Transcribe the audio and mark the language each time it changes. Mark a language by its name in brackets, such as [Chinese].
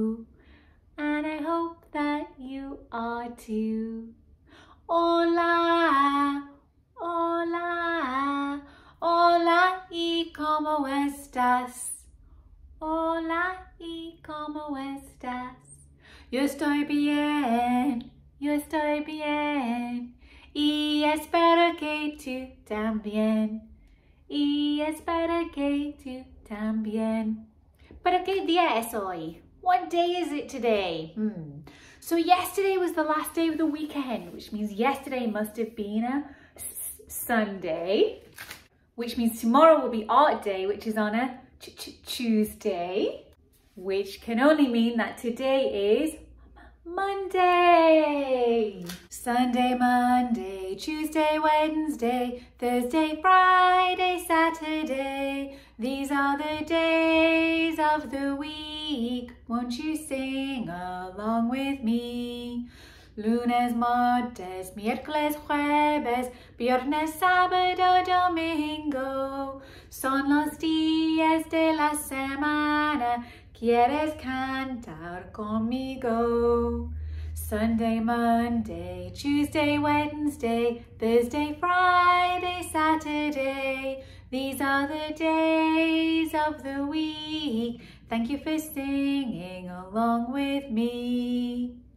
[English] And I hope that you are too. [Spanish] Hola, hola, hola y cómo estás? Hola y cómo estás? Yo estoy bien, yo estoy bien, y espero que tú también, y espero que tú también. Pero qué día es hoy? [English] What day is it today? So yesterday was the last day of the weekend, which means yesterday must have been a Sunday, which means tomorrow will be Art Day, which is on a Tuesday, which can only mean that today is Monday. Sunday, Monday, Tuesday, Wednesday, Thursday, Friday, Saturday. These are the days of the week. Won't you sing along with me? [Spanish] Lunes, martes, miércoles, jueves, viernes, sábado, domingo. Son los días de la semana. ¿Quieres cantar conmigo? [English] Sunday, Monday, Tuesday, Wednesday, Thursday, Friday, Saturday. These are the days of the week. Thank you for singing along with me.